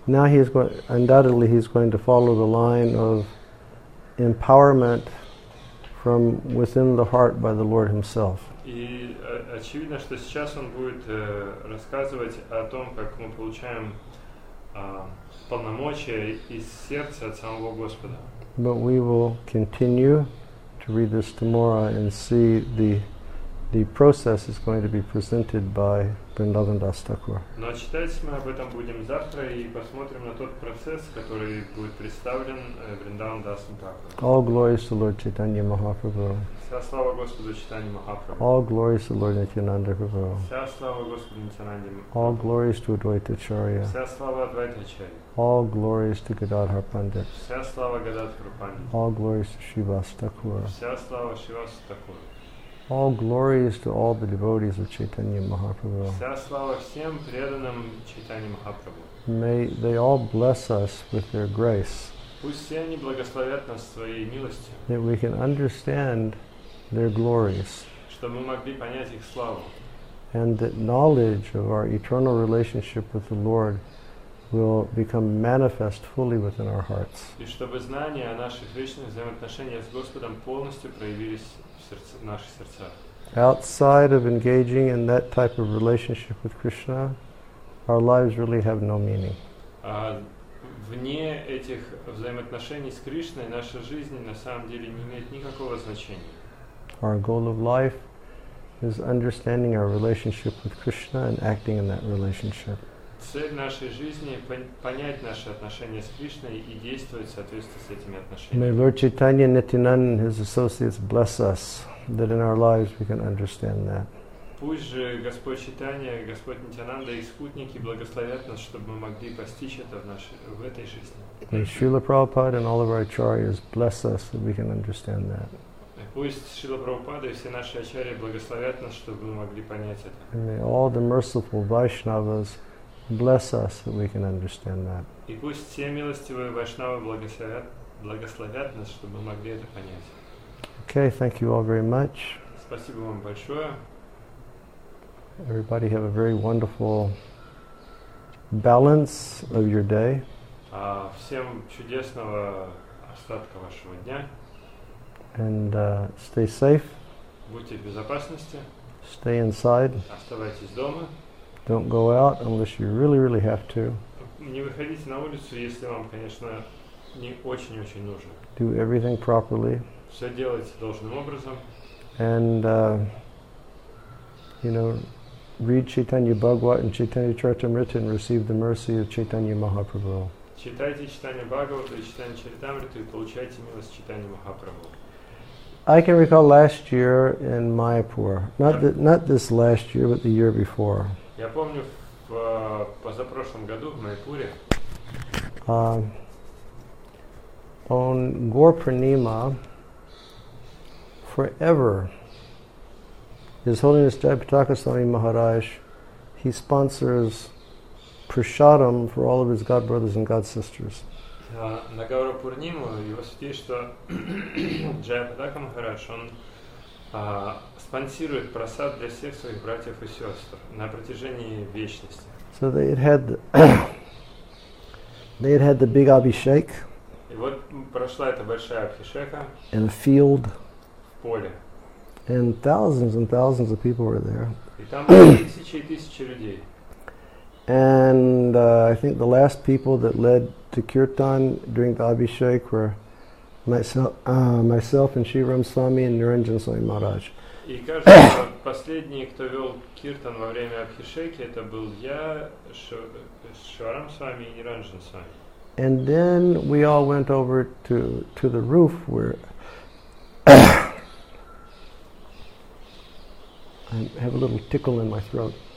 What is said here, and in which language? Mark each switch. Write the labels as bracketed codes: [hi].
[en] Now he is undoubtedly he is going to follow the line of empowerment from within the heart by the Lord Himself. [ru] И очевидно, что сейчас он будет рассказывать о том, как мы получаем полномочия из сердца от самого Господа. [en] But we will continue to read this tomorrow and see the process is going to be presented by Vrindavan Das Thakur. [ru] Но читать мы об этом будем завтра и посмотрим на тот процесс, который будет представлен Vrindavan Das Thakur. [en] All glories to Lord Chaitanya Mahaprabhu. [ru] Вся слава Господу Чайтанья Махапрабху. [en] All glories to Lord Nityananda Prabhu. [ru] Вся слава Господу Нитянанде Махапрабху. [en] All glories to Advaita Acharya. [ru] Вся слава Адвайта Ачарья. [en] All glories to Gadadhar Pandit. [ru] Вся слава Гададхару Пандит. [en] All glories to Shrivas Thakur. [ru] Вся слава Шривас Такур. [en] All glories to all the devotees of Chaitanya Mahaprabhu. [ru] Вся слава всем преданным Чайтанья Махапрабху. [en] May they all bless us with their grace. [ru] Пусть все они благословят нас своей милостью. [en] That we can understand their glories. [ru] Чтобы мы могли понять их славу. [en] And that knowledge of our eternal relationship with the Lord will become manifest fully within our hearts. [ru] И чтобы знания о наших вечных взаимоотношениях с Господом полностью проявились в сердце, в наших сердцах. [en] Outside of engaging in that type of relationship with Krishna, our lives really have no meaning. [ru] Вне этих взаимоотношений с Кришной наша жизнь на самом деле не имеет никакого значения. [en] Our goal of life is understanding our relationship with Krishna and acting in that relationship. [ru] Цель нашей жизни – понять наши отношения с Кришной и действовать в соответствии с этими отношениями. [en] May Lord Chaitanya Nityananda and his associates bless us, that in our lives we can understand that. [ru] Пусть же Господь Читания, Господь Нитянанда и спутники благословят нас, чтобы мы могли постичь это в этой жизни. [en] May Srila Prabhupada and all of our acharyas bless us, that we can understand that. [ru] Пусть Шрила Прабхупада и все наши ачарьи благословят нас, чтобы мы могли понять это. [en] And may all the merciful Vaishnavas bless us, that we can understand that. [ru] И пусть все милостивые Вайшнавы благословят нас, чтобы мы могли это понять. [en] Okay, thank you all very much. [ru] Спасибо вам большое. [en] Everybody have a very wonderful balance of your day. [ru] Всем чудесного остатка вашего дня. [en] And stay safe. [ru] Будьте в безопасности. [en] Stay inside. [ru] Оставайтесь дома. [en] Don't go out unless you really, really have to. [ru] Не выходите на улицу, если вам, конечно, не очень-очень нужно. [en] Do everything properly. [ru] Все делайте должным образом. [en] And, you know, read Chaitanya Bhagavat and Chaitanya Charitamrita and receive the mercy of Chaitanya Mahaprabhu. [ru] Читайте Чайтанья Бхагавату и Чайтанья Чаритамриту и получайте милость Чайтанья Махапрабху. [en] I can recall last year in Mayapur, not this last year, but the year before. [ru] Я помню в позапрошлом году в Майпуре. [en] On Gaur Purnima, forever, His Holiness Jayapataka Swami Maharaj, he sponsors prasadam for all of his god brothers and god sisters. [ru] На Гаура Пурниму его святейшество Джаяпатака Махарадж, он спонсирует просад для всех своих братьев и сестер на протяжении вечности. [en] So they had the big abhishek. [ru] И вот прошла эта большая абхишека. [en] In a field. [ru] В поле. [en] And thousands of people were there. [ru] И там были тысячи и тысячи людей. [en] And I think the last people that led to kirtan during the Abhishek were myself and Shri Ram Swami and Niranjan Swami Maharaj. [ru] И кажется, последний, кто вел киртан во время Абхишеки, это был я, Шварам Свами и Ниранджан Свами. [en] And then we all went over to the roof where I have a little tickle in my throat.